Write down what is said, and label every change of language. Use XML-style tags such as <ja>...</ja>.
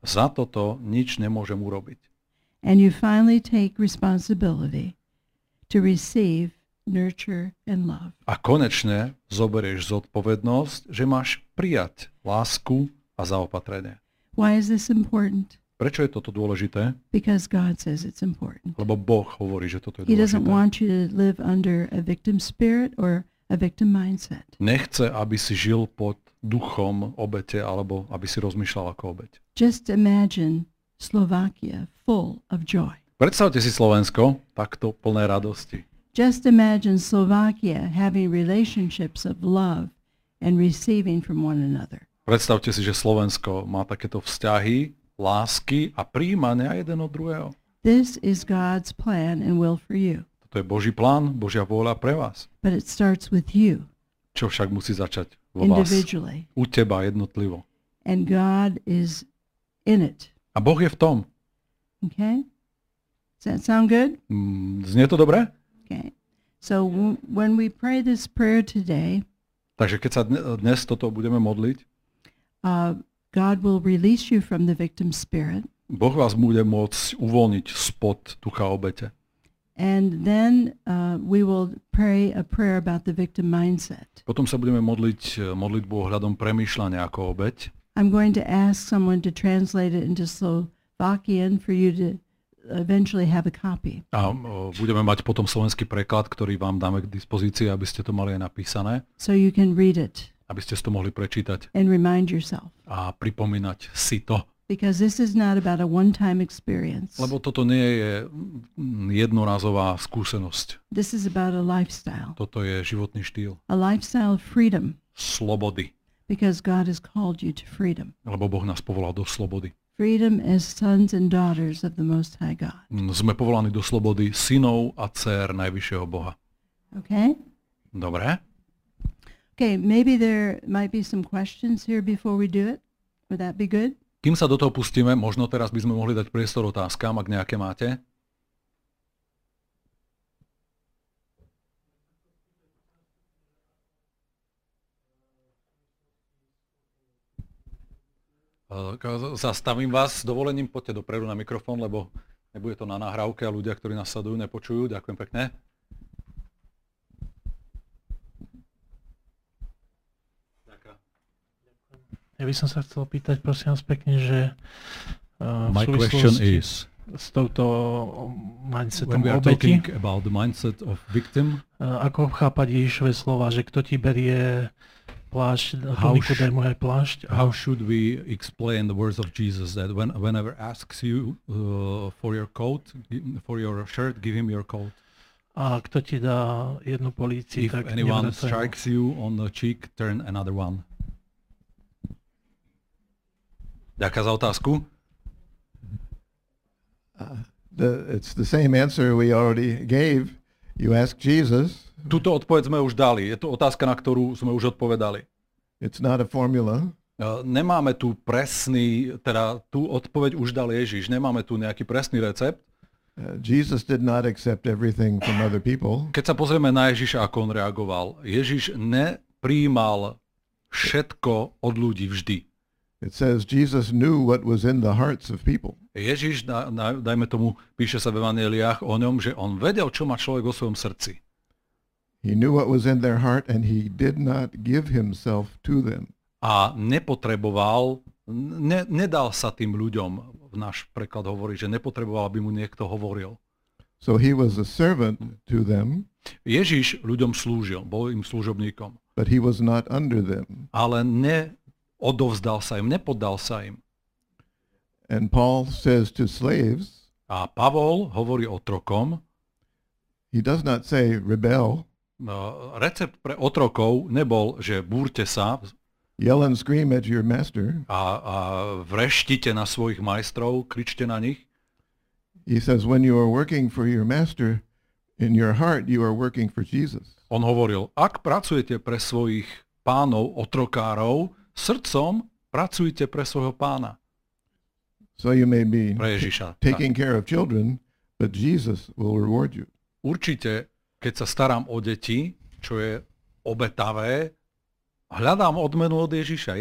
<sk>Za toto nič nemôžem urobiť.</sk> <en>And you finally take responsibility to receive, nurture and love.</en> <sk>A konečne zoberieš zodpovednosť, že máš prijať lásku a zaopatrenie.</sk> <en>Why is this important?</en> <sk>Prečo je toto dôležité?</sk> <en>Because God says it's important.</en> <sk>Lebo Boh hovorí, že toto je dôležité.</sk> <en>He doesn't want you to live under a victim spirit or a victim mindset.</en> <sk>Nechce, aby si žil pod duchom obete alebo aby si rozmýšľal ako obeť.</sk> <en>Just imagine Slovakia full of joy.</en> <sk>Predstavte si Slovensko takto plné radosti.</sk> <en>Just imagine Slovakia having relationships of love and receiving from one another.</en> <sk>Predstavte si, že Slovensko má takéto vzťahy lásky a prijímania jeden od druhého.</sk> <en>This is God's plan and will for you.</en> <sk>To je Boží plán, Božia vôľa pre vás.</sk> <en>But it starts with you.</en> <sk>Čo však musí začať vo</sk> <en>individually.</en> <sk>Vás. U teba jednotlivo.</sk> <en>And God is in it.</en> <sk>A Boh je v tom.</sk> <en>Okay. Does that sound good?</en> <sk>Znie to dobre?</sk> <en>Okay. So when we pray this prayer today.</en> <sk>Takže keď sa dnes toto budeme modliť.</sk> <en>God will release you from the victim spirit.</en> <sk>Boh vás bude môcť uvoľniť spod ducha obete.</sk> <en>And then we will pray a prayer about the victim mindset.</en> <sk>Potom sa budeme modliť modlitbu ohľadom premýšľania ako obeť.</sk> <en>I'm going to ask someone to translate it into Slovakian for you to eventually have a copy.</en> <sk>A budeme mať potom slovenský preklad, ktorý vám dáme k dispozícii, aby ste to mali aj napísané.</sk> <en>So you can read it.</en> <sk>Aby ste to mohli prečítať.</sk> <en>And remind yourself.</en> <sk>A pripomínať si to.</sk> <en>Because this is not about a one-time experience.</en> <sk>Lebo toto nie je jednorazová skúsenosť.</sk> <en>This is about a lifestyle.</en> <sk>Toto je životný štýl.</sk> <en>A lifestyle of freedom.</en> <sk>Slobody.</sk> <en>Because God has called you to freedom.</en> <sk>Lebo Boh nás povolal do slobody.</sk> <en>Freedom as sons and daughters of the Most High God.</en> <sk>Sme povolaní do slobody synov a dcér najvyššieho Boha.</sk> <en>Okay?</en> <sk>Dobre.</sk> <en>Okay, maybe there might be some questions here before we do it. Would that be good?</en> <sk>Kým sa do toho pustíme, možno teraz by sme mohli dať priestor otázkam, ak nejaké máte. Zastavím vás s dovolením, poďte dopredu na mikrofón, lebo nebude to na nahrávke a ľudia, ktorí nás sledujú, nepočujú. Ďakujem pekne. Ja by som sa chcel pýtať, prosím vás pekne, že</sk> <en>my question is,</en> <sk>s touto mindsetom</sk> <en>when we</en> <sk>obeti,</sk> <en>are talking about the mindset of victim,</en> <sk>ako chápať Ježišové slova, že kto ti berie plášť, to Nikodému aj plášť?</sk> <en>How should we explain the words of Jesus that whenever asks you for your coat, for your shirt, give him your coat?</en> <sk>A kto ti dá jednu polícii, tak nevracaj.</sk> <en>If anyone strikes you on the cheek, turn another one.</en> <sk>Ďaká za otázku.</sk> <en>It's the same answer we already gave. You ask Jesus.</en> <sk>Tuto odpoveď sme už dali. Je to otázka, na ktorú sme už odpovedali.</sk> <en>It's not a formula.</en> <sk>Nemáme tu presný, teda tú odpoveď už dal Ježiš. Nemáme tu nejaký presný recept.</sk> <en>Jesus did not accept everything from other people.</en> <sk>Keď sa pozrieme na Ježiša, ako on reagoval, Ježiš neprijímal všetko od ľudí vždy.</sk> <en>It says Jesus knew what was in the hearts of people.</en> <sk>Ježiš, dajme tomu, píše sa v evanjeliách o ňom, že on vedel, čo má človek vo svojom srdci.</sk> <en>He knew what was in their heart and he did not give himself to them.</en> <sk>A nepotreboval, nedal sa tým ľuďom, v náš preklad hovorí, že nepotreboval, aby mu niekto hovoril.</sk> <en>So he was a servant to them.</en> <sk>Ježiš ľuďom slúžil, bol im služobníkom.</sk> <en>But he was not under them.</en> <sk>Ale neodovzdal sa im, nepoddal sa im.</sk> <en>And Paul says to slaves,</en> <sk>a Pavol hovorí otrokom,</sk> <en>he does not say rebel.</en> <sk>Recept pre otrokov nebol, že búrte sa,</sk> <en>yell and scream at your master.</en> <sk>A vreštite na svojich majstrov, kričte na nich.</sk> <en>He says when you are working for your master, in your heart you are working for Jesus.</en> <sk>On hovoril, ak pracujete pre svojich pánov, otrokárov, srdcom pracujte pre svojho pána.</sk> <en>So you may be</en> <sk>pre Ježiša.</sk> <en>Taking care of children, but Jesus will reward you.</en> <sk>Určite, keď sa starám o deti, čo je obetavé, hľadám odmenu od Ježiša.</sk>